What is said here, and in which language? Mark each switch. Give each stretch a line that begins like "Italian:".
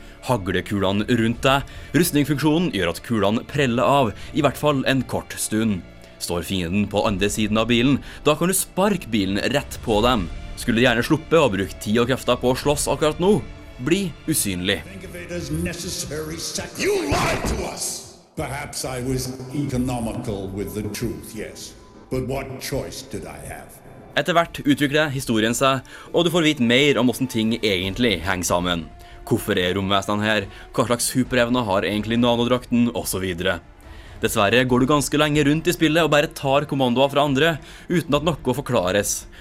Norwegian: Haglekulene rundt deg, rustningfunksjonen gjør at kulene preller av, i hvert fall en kort stund. Står fienden på andre siden av bilen, da kan du sparke bilen rett på dem. Skulle gjerne sluppe å bruke tid og krefter på å slåss akkurat nå, bli usynlig.
English: You lied to us! Perhaps I was economical with the truth, yes. But what choice did I have?
Norwegian: Etter hvert utvikler historien seg, og du får vite mer om hvordan ting egentlig henger sammen. Hvorfor romvesenene her? Hva slags superevne har egentlig nanodrakten, og så videre. Dessverre går du ganske lenge rundt i spillet og bare tar kommandoer fra andre, uten at noe forklares.